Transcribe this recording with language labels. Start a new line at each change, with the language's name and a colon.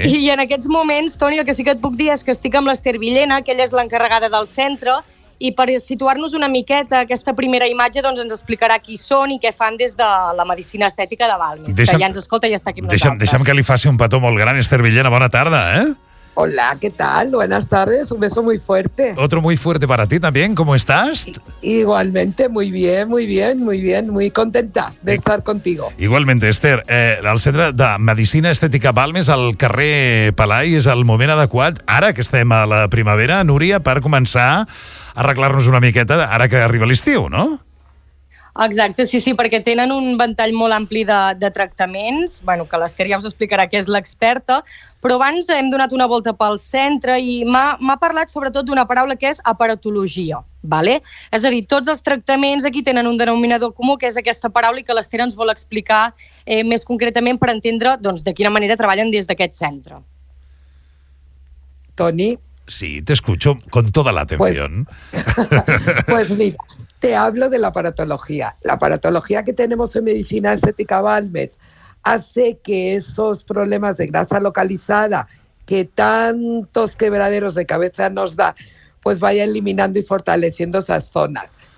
Catalan: I en aquests moments, Toni, el que sí que et puc dir és que estic amb l'Esther Villena, que ella és l'encarregada del centre, i per situar-nos una miqueta aquesta primera imatge, doncs ens explicarà qui són i què fan des de la medicina estètica de Balmes, que ja ens escolta i està aquí amb nosaltres. Deixa'm que li faci un petó molt gran, Esther Villena, bona tarda, eh? Hola, què tal?
Spanish: Buenas tardes, un beso muy fuerte. Otro muy fuerte para ti también, ¿cómo estás? Igualmente, muy bien, muy bien, muy bien, muy contenta de estar contigo.
Catalan: Igualmente, Esther, el centre de Medicina Estètica Balmes al carrer Palai és el moment adequat, ara que estem a la primavera, Núria, per començar a arreglar-nos una miqueta ara que arriba l'estiu, no? Exacte, sí, sí, perquè tenen un ventall molt ampli de tractaments, bueno, que l'Esther ja us explicarà que és l'experta, però abans hem donat una volta pel centre i m'ha parlat sobretot d'una paraula que és aparatologia, vale? És a dir, tots els tractaments aquí tenen un denominador comú, que és aquesta paraula, i que l'Esther ens vol explicar més concretament per entendre doncs, de quina manera treballen des d'aquest centre. Toni?
Spanish: Sí, te escucho con toda la atención. Pues mira, te hablo de la aparatología. La aparatología que tenemos en Medicina Estética Balmes hace que esos problemas de grasa localizada que tantos quebraderos de cabeza nos da, pues vaya eliminando y fortaleciendo esas zonas.